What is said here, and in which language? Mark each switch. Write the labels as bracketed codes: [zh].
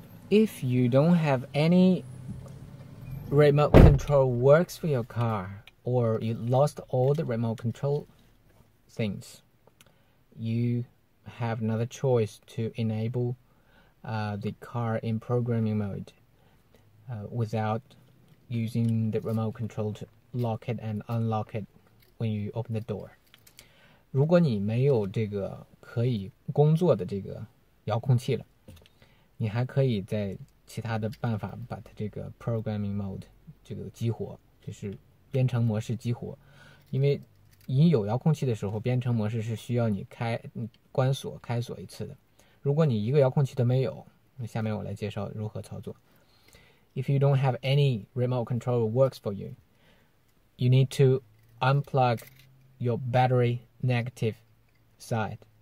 [en] If you don't have any remote control works for your car, or you lost all the remote control things, you have another choice to enable the car in programming mode without using the remote control to lock it and unlock it when you open the door. [zh] 如果你没有这个可以工作的这个遥控器了，你还可以在其他的办法把它这个 programming mode 这个激活，就是编程模式激活，因为你有遥控器的时候，编程模式是需要你关锁一次的。如果你一个遥控器都没有，那下面我来介绍如何操作。 [en] If you don't have any remote control works for you, you need to unplug your battery negative side.